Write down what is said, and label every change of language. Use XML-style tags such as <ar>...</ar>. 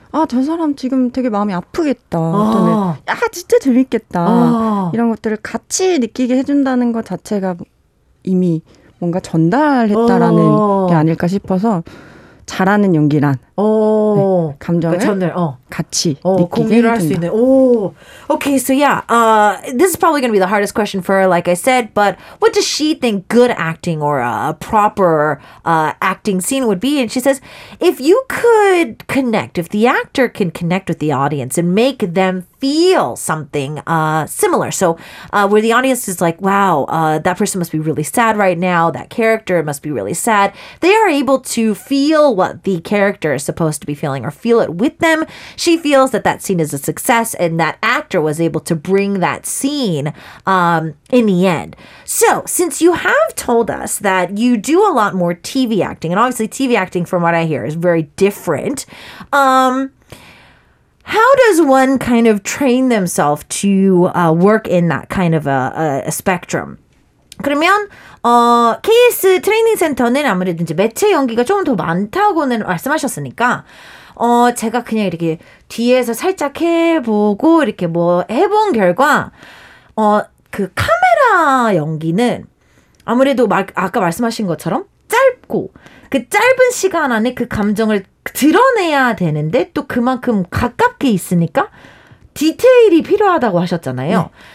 <ko>아, 저 사람 지금 되게 마음이 아프겠다. 또는 아, 진짜 재밌겠다. 이런 것들을 같이 느끼게 해준다는 것 자체가 이미 뭔가 전달했다라는 게 아닐까 싶어서 잘하는 연기란 네, 감정을 전달, 같이 느끼게 공유를 할 수 있는. 오.</ko> <en>Okay, so yeah, this is probably going to be the hardest question for her, like I said, but what does she think good acting or a proper acting scene would be? And she says, if you could connect, if the actor can connect with the audience and make them feel something similar, so where the audience is like, wow, that person must be really sad right now, that character must be really sad, they are able to feel what the character is supposed to be feeling or feel it with them, she feels that that scene is a success and that actor was able to bring that scene in the end. So, since you have told us that you do a lot more TV acting, and obviously TV acting, from what I hear, is very different, how does one kind of train themselves to work in that kind of a spectrum?</en> <ko>그러면 KS 트레이닝 센터는 아무래도 이제 매체 연기가 조금 더 많다고는 말씀하셨으니까 제가 그냥 이렇게 뒤에서 살짝 해보고 이렇게 뭐 해본 결과 그 카메라 연기는 아무래도 아까 말씀하신 것처럼 짧고 그 짧은 시간 안에 그 감정을 드러내야 되는데 또 그만큼 가깝게 있으니까 디테일이 필요하다고 하셨잖아요. 네.</ko>